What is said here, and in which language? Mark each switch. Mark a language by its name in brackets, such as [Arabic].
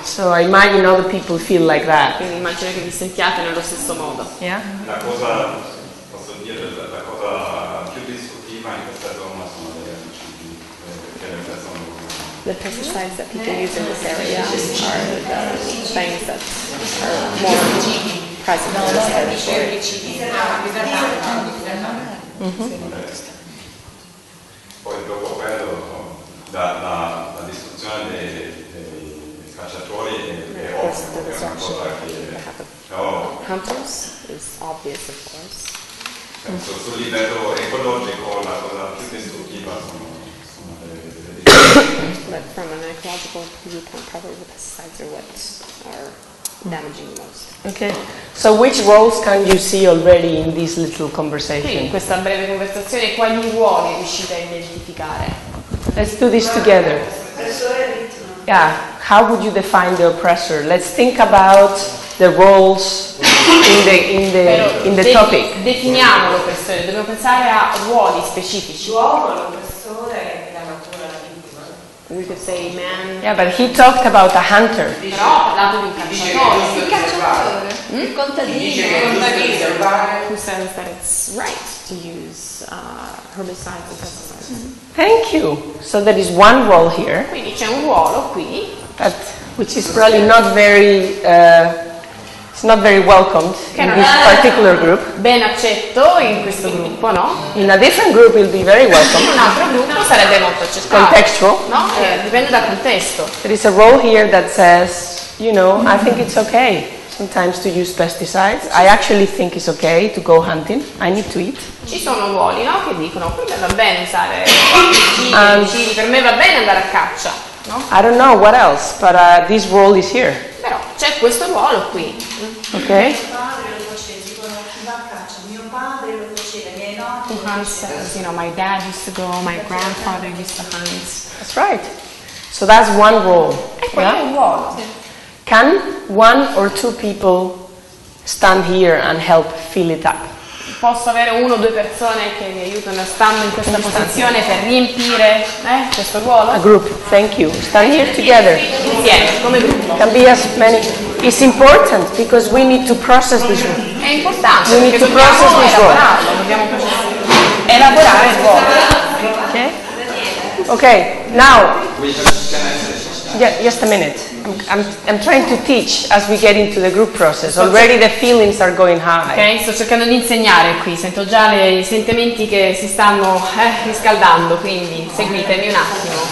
[English] So I imagine other people feel like that. [Italian] Quindi immagino che vi sentiate nello stesso modo. [English] Yeah? [Italian] La cosa, posso dire, la cosa più distruttiva in questa zona sono le persone. [English] The pesticides that people use in this area are the things that are more present in this area. [Italian] Poi dopo quello. La distruzione dei cacciatori è ovvio, è una cosa che [English] hunters is obvious, of course. [Italian] Penso, sul livello ecologico la cosa più distruttiva sono le [English] but from an ecological viewpoint, probably the pesticides are what are damaging most. Okay. So which roles can you see already in this little conversation? [Italian] Sì, in questa breve conversazione quali ruoli riuscite a identificare? [English] Let's do this together. Yeah, how would you define the oppressor? Let's think about the roles in the topic. [Italian] Definiamo l'oppressore, dobbiamo pensare a ruoli specifici. L'uomo, l'oppressore, è la natura, la vittima. [English] We could say man. Yeah, but he talked about a hunter. [Italian] Però ha parlato di un cacciatore. Il cacciatore, il contadino. Dice che il contadino. [English] Who says that it's right to use herbicides and pesticides. Thank you. So there is one role here. [Italian] Quindi c'è un ruolo qui. [English] But which is probably not very it's not very welcomed in this particular group. [Italian] Ben accetto in questo gruppo, no? [English] In a different group will be very welcome. In un altro gruppo sarebbe molto accettato. Contextual. [Italian] No? Dipende dal contesto. [English] There is a role here that says, you know, I think it's okay sometimes to use pesticides. I actually think it's okay to go hunting. I need to eat. [Italian] Ci sono ruoli, no, che dicono che va bene usare pesticidi, per me va bene andare a caccia, no? [English] I don't know what else, but this role is here. [Italian] Però c'è questo ruolo qui. [English] Okay. Who hunts, you know, my dad used to go, my grandfather used to hunt. That's right. So that's one role. [Italian] Yeah? Un ruolo. [English] Can one or two people stand here and help fill it up? [Italian] Posso avere uno o due persone che mi aiutano stando in questa posizione per riempire questo ruolo? [English] A group, thank you. Stand here together. [Italian] Insieme, come gruppo. [English] Can be as many. It's important because we need to process this work. [Italian] È importante. [English] We need to process this work. [Italian] Dobbiamo processare. Elaborare il ruolo. [English] Okay. Okay. Now. Yeah, just a minute. I'm trying to teach as we get into the group process. Already the feelings are going high. [Italian] Okay, sto cercando di insegnare qui. Sento già i sentimenti che si stanno riscaldando, quindi seguitemi un attimo.